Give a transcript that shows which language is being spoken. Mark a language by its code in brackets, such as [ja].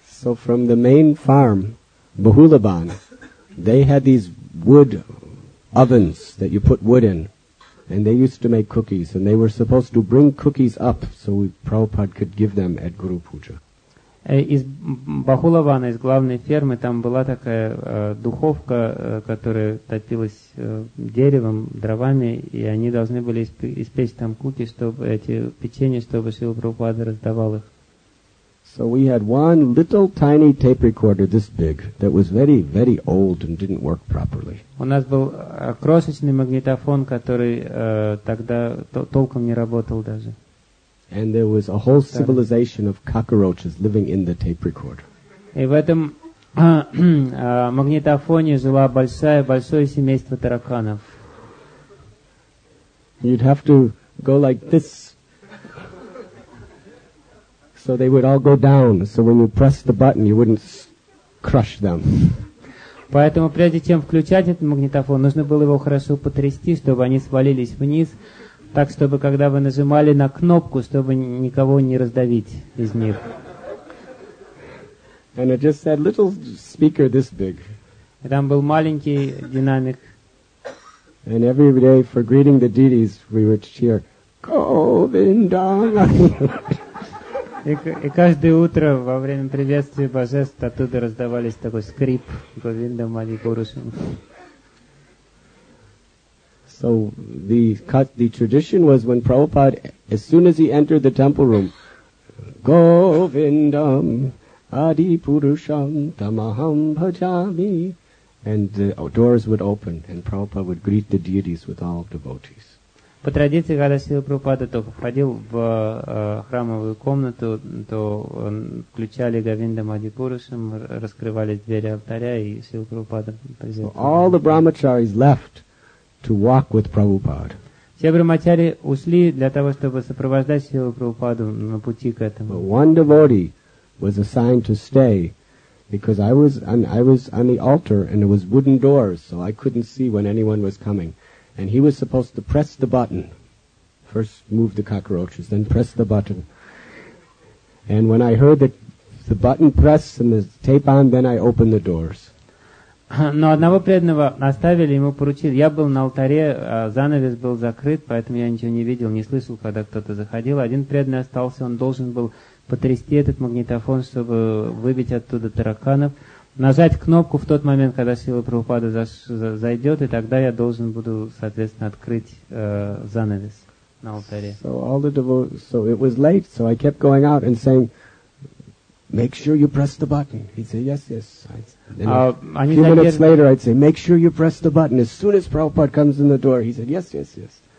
[en] So from the main farm, Bahulaban, they had these wood ovens that you put wood in, and they used to make cookies, and they were supposed to bring cookies up so Prabhupada could give them at Guru Puja. [ru] Из Бахулавана, из главной фермы, там была такая духовка, которая топилась деревом, дровами, и они должны были испечь там куки, чтобы эти печенья, чтобы Шрила Прабхупада раздавал их. [en] So we had one little tiny tape recorder this big that was very, very old and didn't work properly. [ru] У нас был крошечный магнитофон, который тогда толком не работал даже. [en] And there was a whole civilization of cockroaches living in the tape recorder. [ru] И в этом магнитофоне жила большое семейство тараканов. [en] You'd have to go like this. So they would all go down. So when you press the button, you wouldn't crush them. [ru] Поэтому прежде чем включать этот магнитофон, нужно было его хорошо потрясти, чтобы они свалились вниз, так чтобы когда вы нажимали на кнопку, чтобы никого не раздавить из них. [en] And it just said little speaker this big. [ru] И там был маленький динамик. [en] And every day for greeting the deities, we would cheer, Govindana. [ru] И каждое утро во время приветствия божеств оттуда раздавались такой скрип Говинда Мали Гурушу. [en] So the tradition was when Prabhupada, as soon as he entered the temple room, Govindam Adi Purusham Tamaham Bhajami, and the doors would open and Prabhupada would greet the deities with all devotees. [ru] По традиции, когда Шрила Прабхупада только входил в храмовую комнату, то включали Говинда Мади Пурушам, раскрывали двери алтаря, и Шрила Прабхупада приветствовал. [en] So all the brahmacharis left to walk with Prabhupada. [ru] Все брахмачари ушли для того, чтобы сопровождать Шрилу Прабхупаду на пути к этому. [en] But one devotee was assigned to stay because I was on the altar and it was wooden doors, so I couldn't see when anyone was coming. And he was supposed to press the button. First move the cockroaches, then press the button. And when I heard the button press and the tape on, then I opened the doors. [ru] Но одного преданного оставили, ему поручили. Я был на алтаре, занавес был закрыт, поэтому я ничего не видел, не слышал, когда кто-то заходил. Один преданный остался, он должен был потрясти этот магнитофон, чтобы выбить оттуда тараканов. Нажать кнопку в тот момент, когда Шрила Прабхупада зайдет, и тогда я должен буду, соответственно, открыть занавес на алтаре. [en] So all the so it was late, so I kept going out and saying, make sure you press the button. He'd say, yes, yes. A few minutes later, I'd say, make sure you press the button. As soon as Prabhupada comes in the door, he said, yes, yes, yes.